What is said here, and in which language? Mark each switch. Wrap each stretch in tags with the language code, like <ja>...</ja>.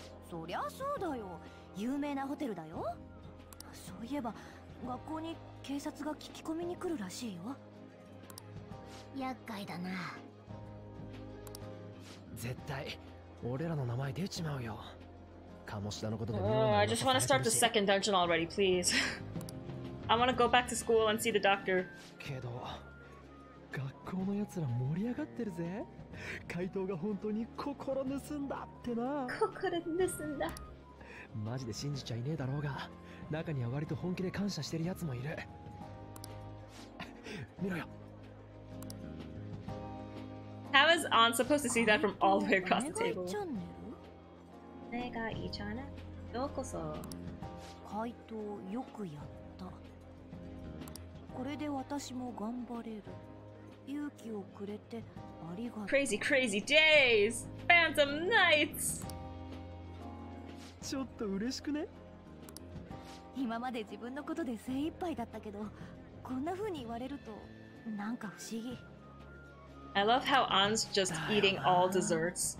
<ja>そりゃそうだよ。有名なホテルだよ。そういえば、学校に警察が聞き込みに来るらしいよ。厄介だな。絶対、俺らの名前出ちまうよ。鴨志田のことで。</ja> <en>I just want to start the second dungeon already, please. I want to go back to school and see the doctor.</en> <ja>けど、学校のやつら盛り上がってるぜ。怪盗が本当に心盗んだってな。心盗んだ。マジで信じちゃいねえだろうが、中には割と本気で感謝してるやつもいる。見ろよ。</ja> <en>How is Aunt supposed to see that from all the way across the table?</en> <ja>お願いチャンネル。どうこそ。カ回答よくやった。これで私も頑張れる。勇気をくれてありがとう。</ja> <en>Crazy crazy days! Phantom Knights!</en> <ja>ちょっと嬉しくね。今まで自分のことで精一杯だったけど、こんな風に言われるとなんか不思議。</ja> <en>I love how Anne's just eating all desserts.</en>